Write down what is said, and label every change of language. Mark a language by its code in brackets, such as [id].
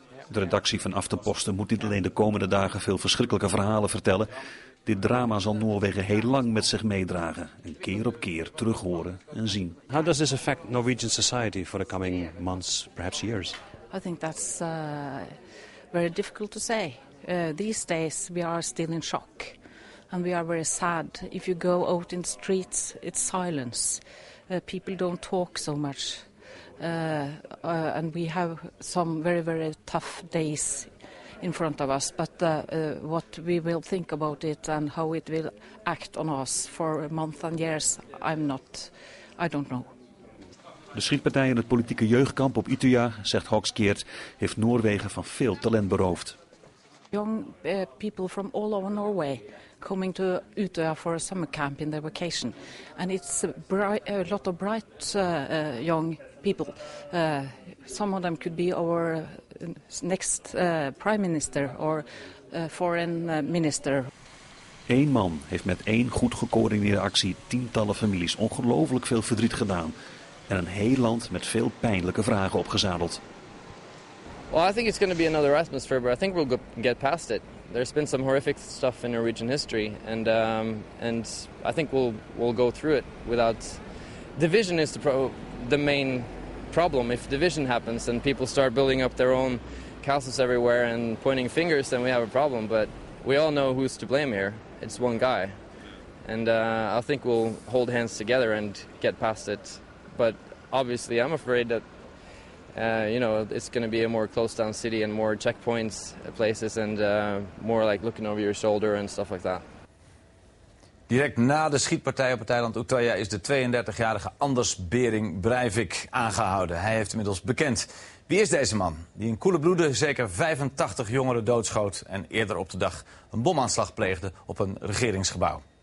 [nl] De redactie van Aftenposten moet niet alleen de komende dagen veel verschrikkelijke verhalen vertellen. Dit drama zal Noorwegen heel lang met zich meedragen en keer op keer terughoren en zien. [en] How does this affect Norwegian society for the coming months, perhaps years? I think that's very difficult to say. These days we are still in shock and we are very sad. If you go out in the streets, it's silence. People don't talk so much. And we have some very, very tough days in front of us. But what we will think about it and how it will act on us for months and years, I don't know. [nl] De schietpartij in het politieke jeugdkamp op Utøya, zegt Hogskeert, heeft Noorwegen van veel talent beroofd. [en] Young people from all over Norway coming to Utøya for a summer camp in their vacation. And it's a lot of bright young people. Some of them could be our next prime minister or foreign minister. [nl] Eén man heeft met één goed gecoördineerde actie tientallen families ongelooflijk veel verdriet gedaan. En een heel land met veel pijnlijke vragen opgezadeld. [en] Well, I think it's going to be another atmosphere, but I think we'll get past it. there's been some horrific stuff in Norwegian history, and I think we'll go through it without division. Is the main problem. If division happens and people start building up their own castles everywhere and pointing fingers, then we have a problem. But we all know who's to blame here. It's one guy, and I think we'll hold hands together and get past it. But obviously, I'm afraid that it's going to be a more closed down city and more checkpoints places and more like looking over your shoulder and stuff like that. [nl] Direct na de schietpartij op het eiland Utøya is de 32-jarige Anders Behring Breivik aangehouden. Hij heeft inmiddels bekend. Wie is deze man die in koele bloede zeker 85 jongeren doodschoot en eerder op de dag een bomaanslag pleegde op een regeringsgebouw?